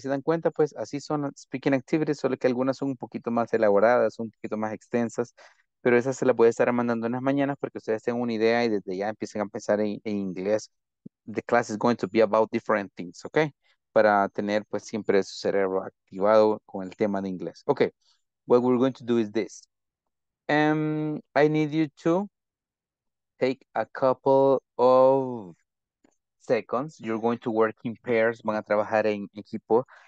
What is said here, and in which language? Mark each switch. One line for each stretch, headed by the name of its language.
Spanish: Si se dan cuenta, pues así son speaking activities, solo que algunas son un poquito más elaboradas, un poquito más extensas. Pero esa se la puede estar mandando en las mañanas para que ustedes tengan una idea y desde ya empiecen a pensar en inglés.
English: The class is going to be about different things,
Spanish: ¿ok? Para tener pues siempre su cerebro activado con el tema de inglés.
English: Ok, what we're going to do is this. I need you to take a couple of seconds. You're going to work in pairs,
Spanish: van a trabajar en equipo.